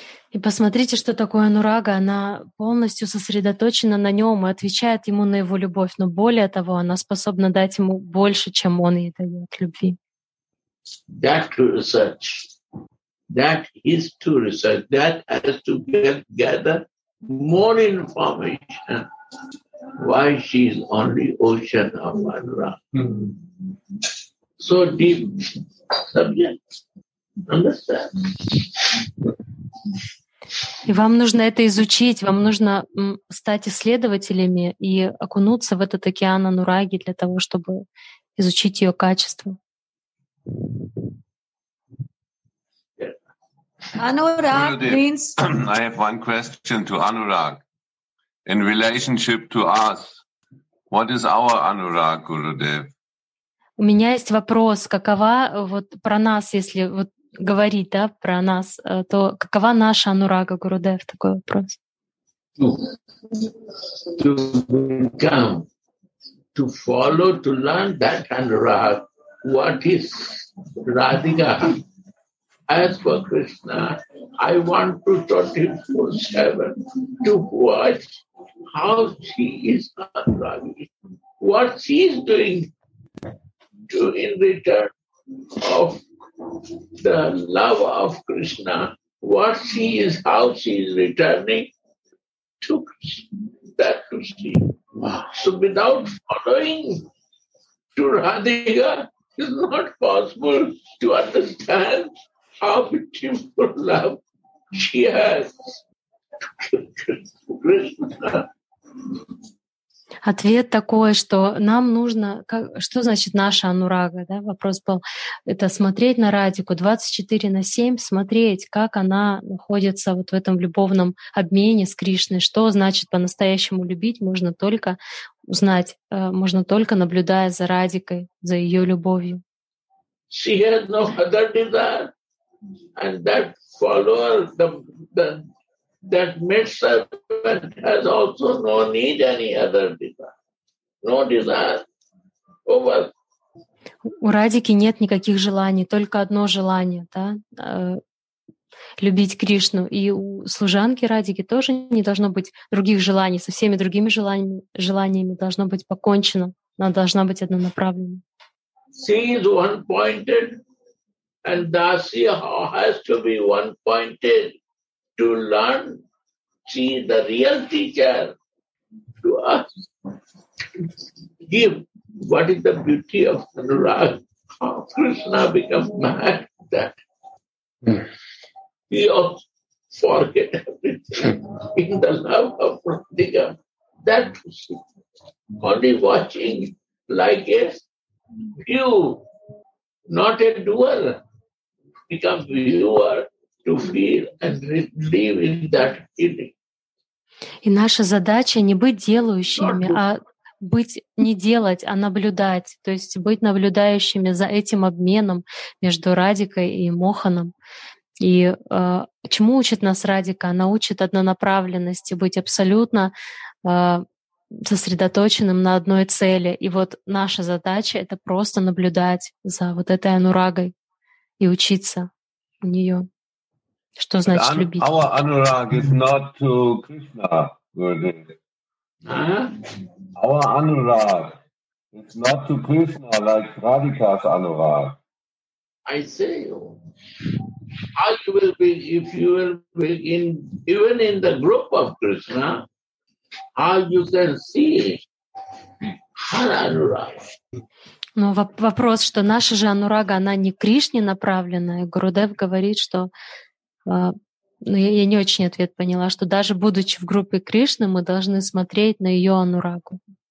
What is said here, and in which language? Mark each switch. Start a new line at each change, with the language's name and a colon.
Russian: И посмотрите, что такое анурага. Она полностью сосредоточена на нем и отвечает ему на его любовь. Но более того, она способна дать ему больше, чем он ей дает любви.
English: That research. That is to research. That has to gather more information why she is only ocean of Anurag. So deep subject. Understand?
Russian: И вам нужно это изучить, вам нужно стать исследователями и окунуться в этот океан Анураги для того, чтобы изучить ее качество.
English: Anurag means... I have one question to Anurag. In relationship to us, what is our Anurag, Gurudev?
Russian: У меня есть вопрос, какова вот про нас, если вот говорить, да, про нас, то какова наша Анурага, Гурудев, такой вопрос?
English: To become, to follow, to learn that Anurag, what is Radhika? As for Krishna, I want to 24/7 to watch how she is Anuragi, what she is doing to in return of the love of Krishna, what she is, how she is returning to Krishna, that to see. So without following to Radhika, it's not possible to understand how beautiful love she has to Krishna.
Russian: Ответ такой, что нам нужно... Как, что значит наша Анурага? Да? Вопрос был. Это смотреть на Радику 24/7, смотреть, как она находится вот в этом любовном обмене с Кришной. Что значит по-настоящему любить? Можно только узнать, можно только наблюдая за Радикой, за ее любовью.
English: She has no other desire. And that follower, that maidservant has also no need any other desire. No desire. Over.
Russian: У Радики нет никаких желаний, только одно желание, да? Любить Кришну. И у служанки Радики тоже не должно быть других желаний. Со всеми другими желаниями должно быть покончено. Она должна быть однонаправлена.
English: She is one-pointed, and Dasi has to be one-pointed to learn. She is the real teacher to us. Give what is the beauty of Anurag. How Krishna becomes mad that he also forget everything in the love of Radhika. That only watching like a view, not a doer, becomes viewer to feel and live in that feeling.
Russian: И наша задача не быть делающими, а быть не делать, а наблюдать, то есть быть наблюдающими за этим обменом между Радикой и Моханом. И чему учит нас Радика? Она учит однонаправленности, быть абсолютно сосредоточенным на одной цели. И вот наша задача — это просто наблюдать за вот этой Анурагой и учиться у нее. Что значит любить?
English: Our Anurag is not to Krishna, Gurudev. Our Anurag is not to Krishna like Radhika's Anurag. I say, if you will begin even in the group of Krishna, how you can see her Anurag.
Russian: Но вопрос, что наша же Анурага, она не к Кришне направленная. Гурудев говорит, что я не очень ответ поняла, что даже будучи в группе Кришны, мы должны смотреть на ее Анурагу.